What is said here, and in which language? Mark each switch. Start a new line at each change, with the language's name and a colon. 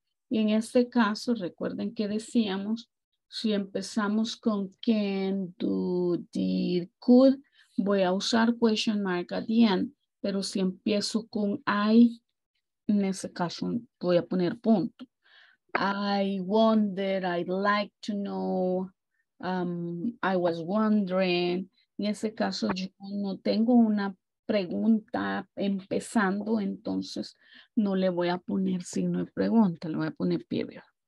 Spanish: Y en este caso, recuerden que decíamos, si empezamos con can, do, did, could, voy a usar
English: question mark at the end.
Spanish: Pero si empiezo con I, en ese caso voy a poner punto.
English: I wonder, I'd like to know, I was wondering.
Spanish: En ese caso, yo no tengo una pregunta empezando, entonces no le voy a poner signo de pregunta, le voy a poner period.